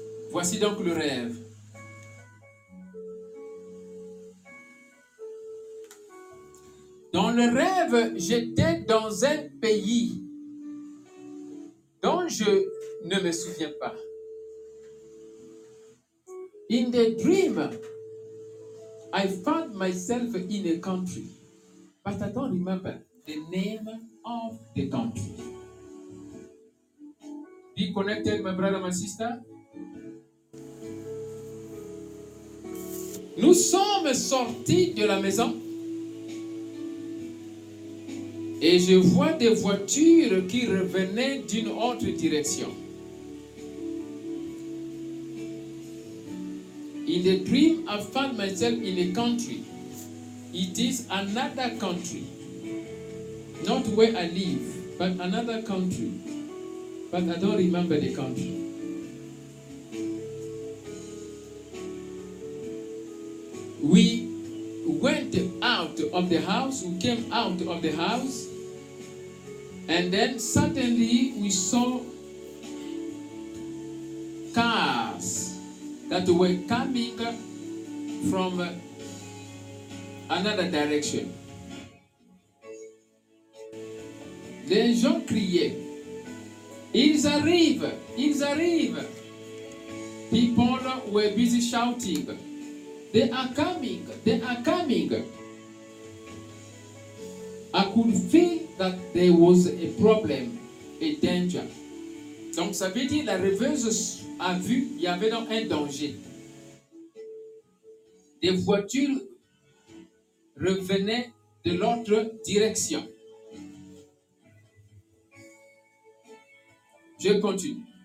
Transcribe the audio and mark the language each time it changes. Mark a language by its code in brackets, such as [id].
[fr] Voici donc le rêve. Dans le rêve, j'étais dans un pays dont je ne me souviens pas. [en] In the dream, I found myself in a country. But I don't remember the name of the country. Be connected, my brother, my sister. [fr] Nous sommes sortis de la maison. Et je vois des voitures qui revenaient d'une autre direction. [en] In the dream, I found myself in a country. It is another country. Not where I live, but another country. But I don't remember the country. We went out of the house. We came out of the house. And then suddenly we saw cars that were coming from another direction. [fr] Les gens criaient, ils arrivent, ils arrivent. [en] People were busy shouting, they are coming, they are coming. I could feel that there was a problem, a danger. [fr] Donc ça veut dire la rêveuse a vu il y avait donc un danger. Des voitures revenaient de l'autre direction. Je continue.